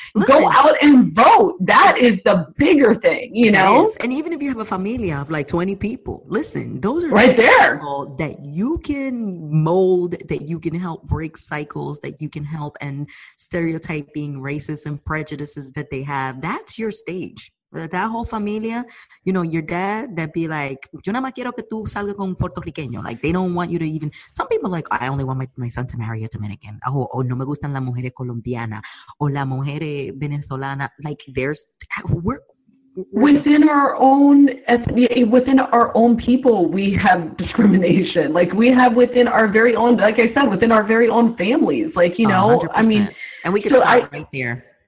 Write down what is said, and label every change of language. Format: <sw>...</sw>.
<en>Listen, go out and vote. That is the bigger thing, you know? Is. And even if you have a familia of like 20 people, listen, those are right there. People that you can mold, that you can help break cycles, that you can help end stereotyping, racism, and prejudices that they have. That's your stage. That whole familia, you know, your dad, that'd be like,</en> <es>yo nada más quiero que tú salgas con un puertorriqueño.</es> <en>Like, they don't want you to even, some people are like, I only want my son to marry a Dominican.</en> <es>Oh, no me gustan las mujeres colombianas. O la mujer venezolana.</es> <en>Like, there's, we're within our own ethnicity, within our own people, we have discrimination. Like, we have within our very own, like I said, within our very own families. Like, you know, 100%. I mean. And we could start right there.</en>